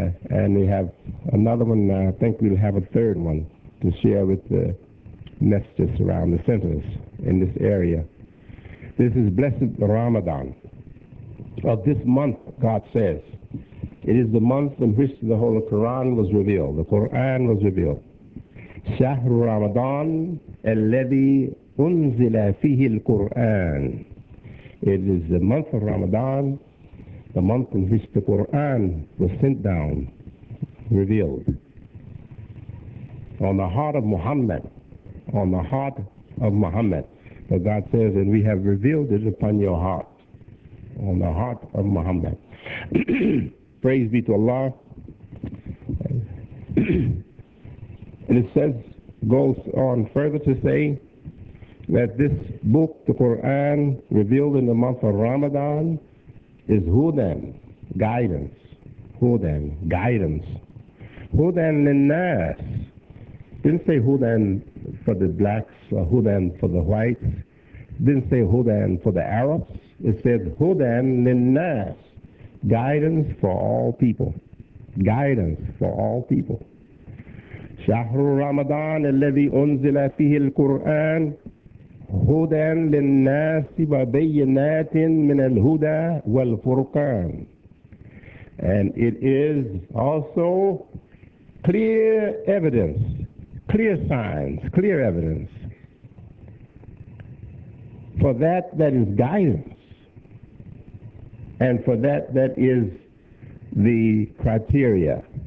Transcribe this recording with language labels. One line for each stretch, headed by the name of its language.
English: And we have another one, I think we'll have a third one, to share with the masjids around the centers in this area. This is blessed Ramadan. Of this month, God says, it is the month in which the Holy Quran was revealed, the Quran was revealed.
Arabic: شهر رمضان الذي أنزل فيه القرآن.
English: It is the month of Ramadan, the month in which the Quran was sent down, revealed. On the heart of Muhammad, on the heart of Muhammad. But God says, and we have revealed it upon your heart, on the heart of Muhammad. Praise be to Allah. And it says, goes on further to say that this book, the Quran, revealed in the month of Ramadan, is hudan, guidance. Hudan, guidance. Hudan linnas. Didn't say hudan for the blacks or hudan for the whites. Didn't say hudan for the Arabs. It said hudan linnas. Guidance for all people. Guidance for all people.
Arabic: شهر رمضان الذي أنزل فيه القرآن هدى للناس وبينات من الهدى والفرقان.
English: And it is also clear evidence, clear signs, clear evidence for that that is guidance and for that that is the criteria.